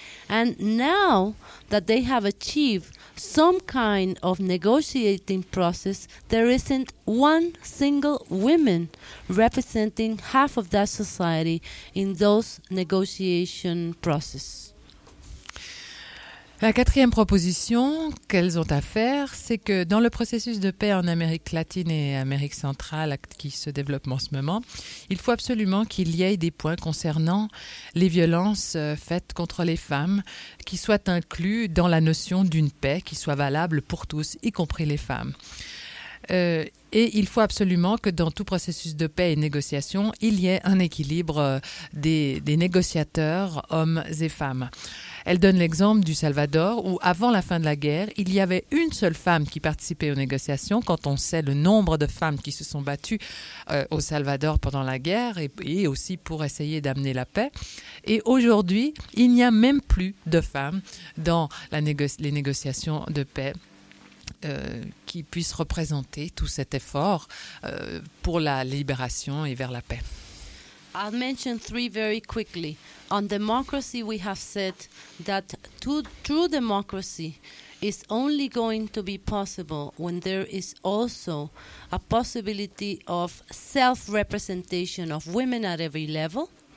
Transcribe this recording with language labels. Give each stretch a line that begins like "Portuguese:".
English: And now that they have achieved some kind of negotiating process, there isn't one single woman representing half of that society in those negotiation processes.
French: La quatrième proposition qu'elles ont à faire, c'est que dans le processus de paix en Amérique latine et Amérique centrale qui se développe en ce moment, il faut absolument qu'il y ait des points concernant les violences faites contre les femmes qui soient inclus dans la notion d'une paix qui soit valable pour tous, y compris les femmes. Et il faut absolument que dans tout processus de paix et négociation, il y ait un équilibre des négociateurs, hommes et femmes. Elle donne l'exemple du Salvador, où avant la fin de la guerre, il y avait une seule femme qui participait aux négociations, quand on sait le nombre de femmes qui se sont battues au Salvador pendant la guerre et aussi pour essayer d'amener la paix. Et aujourd'hui, il n'y a même plus de femmes dans les négociations de paix. Qui puisse représenter tout cet effort pour la libération et vers la paix.
English: I'll mention three very quickly. On democracy, we have said that true democracy is only going to be possible when there is also a possibility of self-representation of women at every level.